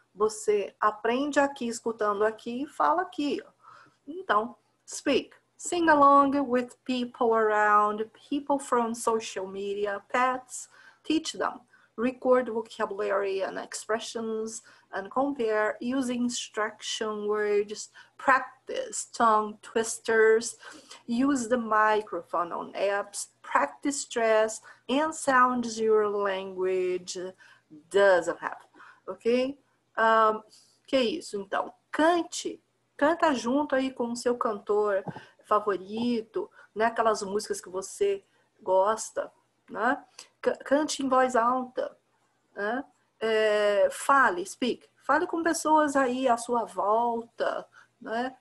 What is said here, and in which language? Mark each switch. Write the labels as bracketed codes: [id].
[pt] Você aprende aqui, escutando aqui e fala aqui. Então, speak. [en] Sing along with people around, people from social media, pets, teach them. Record vocabulary and expressions and compare using instruction words. Practice tongue twisters. Use the microphone on apps. Practice stress and sounds your language doesn't have. [pt] Ok? Que é isso? Então, cante. Canta junto aí com o seu cantor favorito, né? Aquelas músicas que você gosta, né? Cante em voz alta, né? Fale, speak. Fale com pessoas aí à sua volta, né?